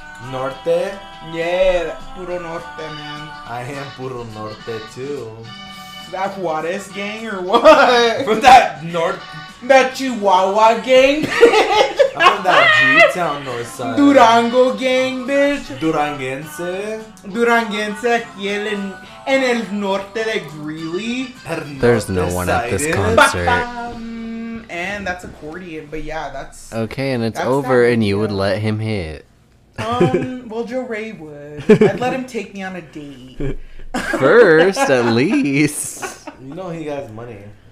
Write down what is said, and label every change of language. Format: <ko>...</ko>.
<es>Norte?</es> <en>Yeah,</en> <es>puro norte,</es> <en>man. I am</en> <es>puro norte,</es> <en>too. That Juarez gang, or what? From that north... That Chihuahua gang, bitch. I'm from that G-Town north side. Durango gang, bitch.</en> <es>Duranguense? Duranguense, aquí en el norte de Greeley.</es> <en>There's no one at this concert. And that's accordion, but yeah, that's okay, and it's over, and you would let him hit. Well, Joe Ray would. I'd let him take me on a date. First, at least. You know he has money.</en>